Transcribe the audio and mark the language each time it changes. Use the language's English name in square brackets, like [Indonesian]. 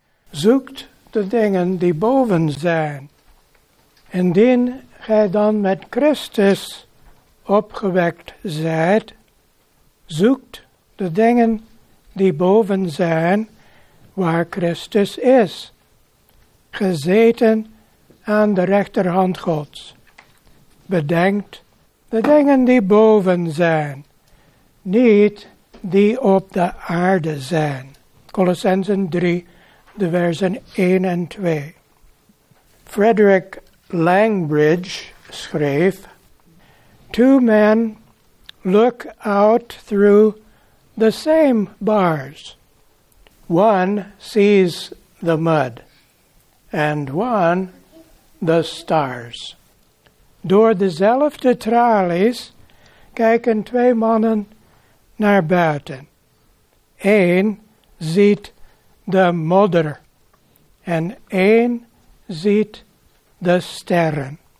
[Dutch] zoekt de dingen die boven zijn. Indien gij dan met Christus opgewekt zijt, zoekt de dingen die boven zijn, waar Christus is, gezeten aan de rechterhand Gods. Bedenkt de dingen die boven zijn, niet die op de aarde zijn. Colossenzen 3, de versen 1 en 2. [English] Frederick Langbridge schreef: Two men look out through the same bars. One sees the mud, and one the stars. [Dutch] Door dezelfde tralies kijken twee mannen naar buiten. Eén ziet de modder, en één ziet de sterren.